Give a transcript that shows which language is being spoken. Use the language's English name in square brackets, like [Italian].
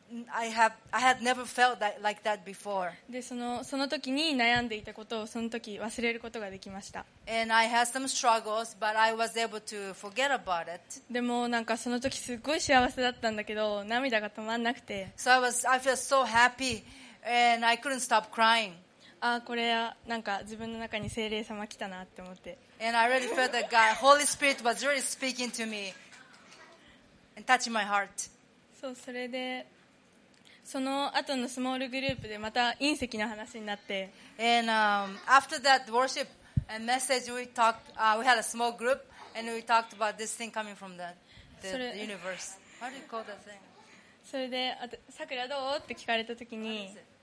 [English] I had never felt that, like that before. [Japanese] で、その時に悩んでいたことをその時忘れることができました。 [English] And I had some struggles, but I was able to forget about it. [Japanese] でもなんかその時すごい幸せだったんだけど、涙が止まんなくて。 [English] So I felt so happy, and I couldn't stop crying. [Japanese] あ、これはなんか自分の中に聖霊様来たなって思って。 [English] And I really felt that God, Holy Spirit was really speaking to me and touching my heart. [Japanese] そう、それで、その後のスモールグループでまた隕石の話になって、 [English] and, after that worship and message we talked, we had a small group and we talked about this thing coming from the universe. How do you call that thing? [Japanese] それで、あと、さくらどうって聞かれた時に、